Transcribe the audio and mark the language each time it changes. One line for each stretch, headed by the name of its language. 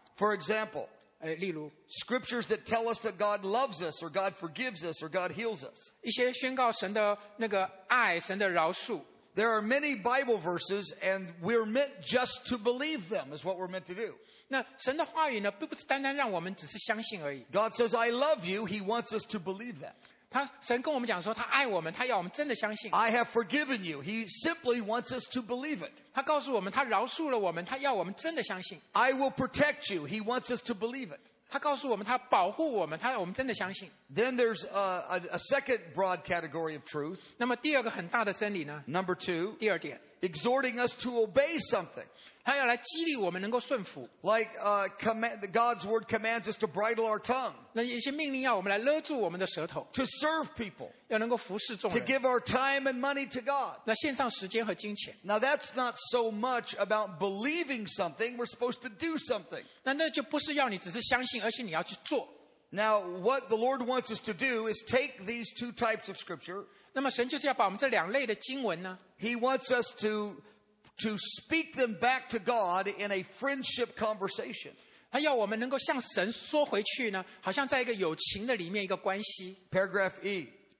English: For example.
Chinese: 例如
English: scriptures that tell us that God loves us, or God forgives us, or God heals us.
Chinese: 一些宣告神的那个爱，神的饶恕。
English: There are many Bible verses, and we're meant just to believe them is what we're meant to do.
Chinese: 那神的话语呢，并不是单单让我们只是相信而已。
English: God says, "I love you." He wants us to believe that.
Chinese: 神跟我们讲说他爱我们，他要我们真的相信。
English: I have forgiven you. He simply wants us to believe it.
Chinese: 他告诉我们，他饶恕了我们，他要我们真的相信。
English: I will protect you. He wants us to believe it.
Chinese: 他告诉我们，他保护我们，他要我们真的相信。
English: Then there's a second broad category of truth.
Chinese: 那么第二个很大的真理呢
English: ？Number two.
Chinese: 第二点。
English: Exhorting us to obey something.
Chinese: 他要来激励我们能够顺服。
English: Like God's word commands us to bridle our tongue.
Chinese: 那有些命令要我们来勒住我们的舌头。
English: To serve people.
Chinese: 要能够服侍众人。
English: To give our time and money to God.
Chinese: 那献上时间和金钱。
English: Now that's not so much about believing something. We're supposed to do something.
Chinese: 那就不是要你只是相信，而且你要去做。
English: Now what the Lord wants us to do is take these two types of scripture.
Chinese: 那么神就是要把我们这两类的经文呢。
English: He wants us to speak them back to God in a friendship conversation.
Chinese: 他要我们能够向神说回去呢，好像在一个友情的里面一个关系。
English: Paragraph E.